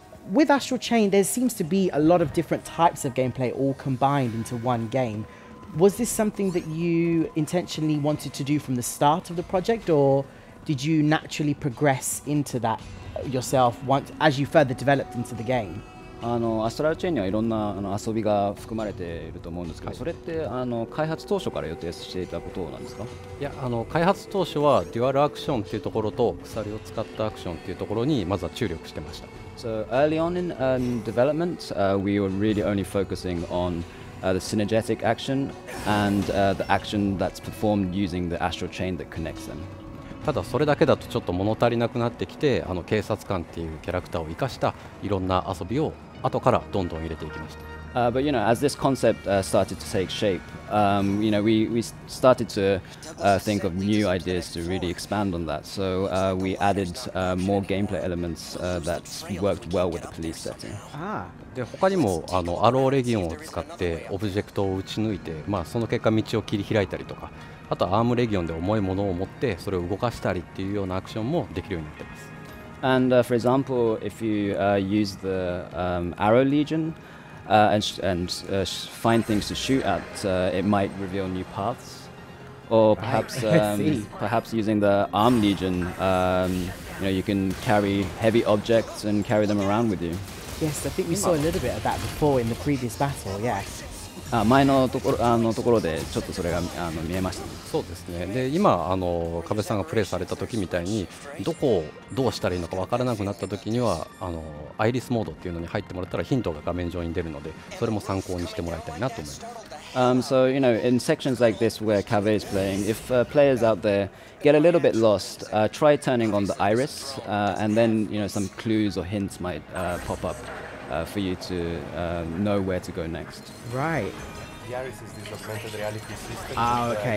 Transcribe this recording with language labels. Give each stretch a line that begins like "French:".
English: With Astral Chain, there seems to be a lot of different types of gameplay all combined into one game. Was this something that you intentionally wanted to do from the start of the project, or did you naturally progress into that yourself once as you further developed into the game?
Japanese: Astral Chain にはいろんな遊びが含まれていると思うんですけど、それって開発当初から予定していたことなんですか？いや、開発当初はデュアルアクションっていうところと鎖を使ったアクションっていうところにまずは注力してました。
English: So early on in development, we were really only focusing onthe synergetic action and the action that's performed using the astral chain that connects them.
Japanese: ただそれだけだとちょっと物足りなくなってきて、警察官っていうキャラクターを生かしたいろんな遊びを後からどんどん入れていきました。
English: But you know, as this concept started to take shape, you know, we started to think of new ideas to really expand on that. So we added more gameplay elements that worked well with the police setting.
Japanese: で他にもアローレギオンを使ってオブジェクトを打ち抜いて、その結果道を切り開いたりとか、あとアームレギオンで重いものを持ってそれを動かしたりっていうようなアクションもできるようになっています。
English: And for example, if you use the Arrow Legion. Find things to shoot at, it might reveal new paths. Or perhaps, perhaps using the Arm Legion, you can carry heavy objects and carry them around with you. Yes, I think we saw a little bit of that before in the previous battle, yes.
Japanese: 前のところ、ところでちょっとそれが見えました。そうですね。で、今壁さんがプレイされた時みたいにどこをどうしたらいいのか分からなくなった時にはアイリスモードっていうのに入ってもらったらヒントが画面上に出るのでそれも参考にしてもらいたいなと思います。
English: So, you know, in sections like this where Cave is playing, if players out there get a little bit lost, try turning on the iris, and then, you know, some clues or hints might pop up for you to know where to go next. Right. The iris is this augmented reality system